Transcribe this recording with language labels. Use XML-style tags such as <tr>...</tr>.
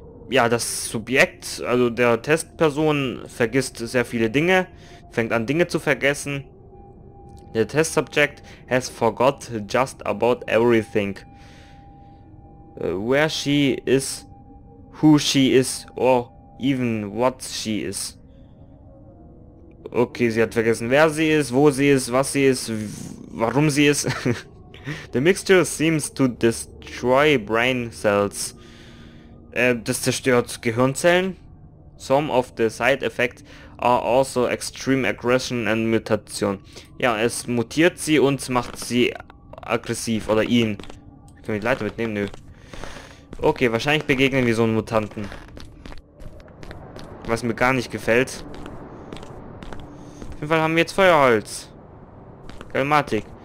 <de>Ja, das Subjekt, also der Testperson, vergisst sehr viele Dinge, fängt an Dinge zu vergessen.</de> <en>The test subject has forgot just about everything. Where she is, who she is, or even what she is.</en> <de>Okay, sie hat vergessen, wer sie ist, wo sie ist, was sie ist, warum sie ist.</de> <en>The mixture seems to destroy brain cells.</en> <de>Das zerstört Gehirnzellen.</de> <en>Some of the side effects are also extreme aggression and mutation.</en> <de>Ja, es mutiert sie und macht sie aggressiv. Oder ihn. Können wir die Leiter mitnehmen? Nö. Okay, wahrscheinlich begegnen wir so einen Mutanten. Was mir gar nicht gefällt. Auf jeden Fall haben wir jetzt Feuerholz. Galmatik.</de>